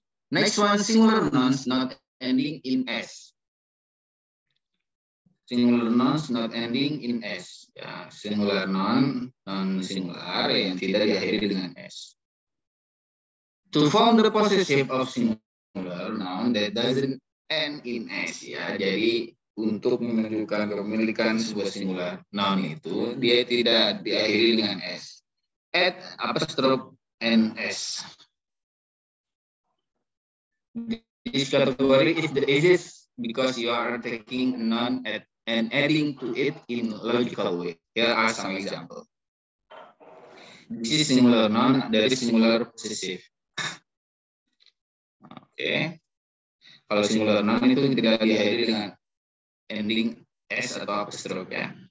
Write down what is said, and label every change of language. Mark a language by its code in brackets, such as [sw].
[en] Next one, singular nouns not ending in S. Singular nouns not ending in S. Ya, singular noun, [id] noun singular yang tidak diakhiri dengan S. [en] To form the possessive of singular noun that doesn't end in S. [id] Ya, jadi untuk menunjukkan kepemilikan sebuah singular noun itu, dia tidak diakhiri dengan S. [en] Add apostrophe and S. This category is the easiest because you are taking a noun and adding to it in logical way. Here are some examples. This is singular noun, there is singular possessive. Okay. [id] Kalau singular noun itu tidak diakhiri dengan ending S atau apostrophe, ya.